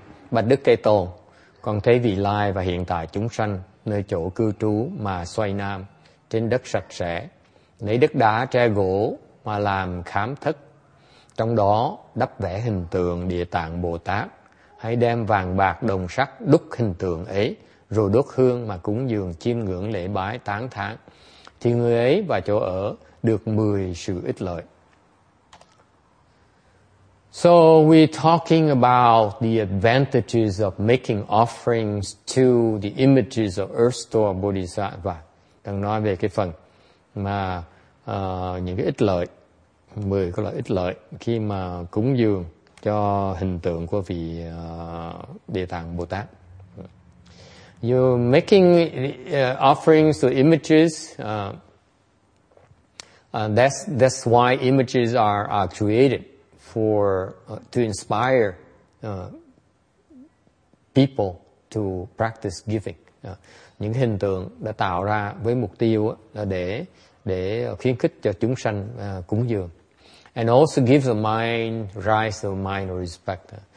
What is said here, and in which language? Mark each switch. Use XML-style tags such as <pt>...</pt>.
<vi>Bạch Đức Kế Tôn, con thấy vị lai và hiện tại chúng sanh nơi chỗ cư trú mà xoay nam trên đất sạch sẽ, lấy đất đá tre gỗ mà làm khám thất, trong đó đắp vẽ hình tượng Địa Tạng Bồ Tát, hay đem vàng bạc đồng sắt đúc hình tượng ấy rồi đốt hương mà cúng dường chiêm ngưỡng lễ bái tán thán, thì người ấy và chỗ ở được 10 sự ích lợi.</vi> <en>So we're talking about the advantages of making offerings to the images of earth store bodhisattva.</en> <vi>Đang nói về cái phần mà những cái ích lợi, 10 cái lợi ích lợi khi mà cúng dường cho hình tượng của vị Địa Tạng Bồ Tát.</vi> <en>You're making offerings to images. That's why images are created for to inspire people to practice giving.</en> <vi>Những hình tượng đã tạo ra với mục tiêu là để khuyến khích cho chúng sanh cúng dường.</vi> <en>And also give the mind rise of mind respect.</en>